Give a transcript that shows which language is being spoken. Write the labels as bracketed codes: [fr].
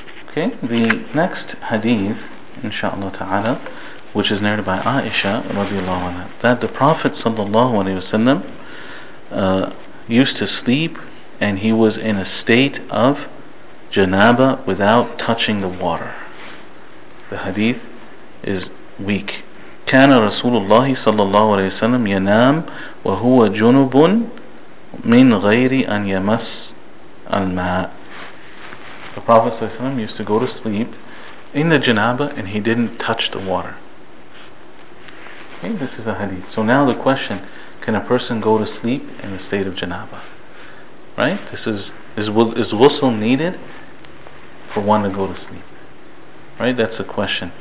[en] Okay, the next hadith, inshaAllah ta'ala, which is narrated by Aisha radiallahu anha, that the Prophet sallallahu alaihi wasallam used to sleep and he was in a state of janaba without touching the water. The hadith is weak. [ar] كان رسول الله صلى الله عليه وسلم ينام وهو جنب من غير أن يمس الماء. [en] The Prophet صلى الله عليه وسلم used to go to sleep in the janaba and he didn't touch the water. Okay, this is a hadith. So now the question, can a person go to sleep in the state of janaba? Right? This is ghusl needed for one to go to sleep? Right? That's the question.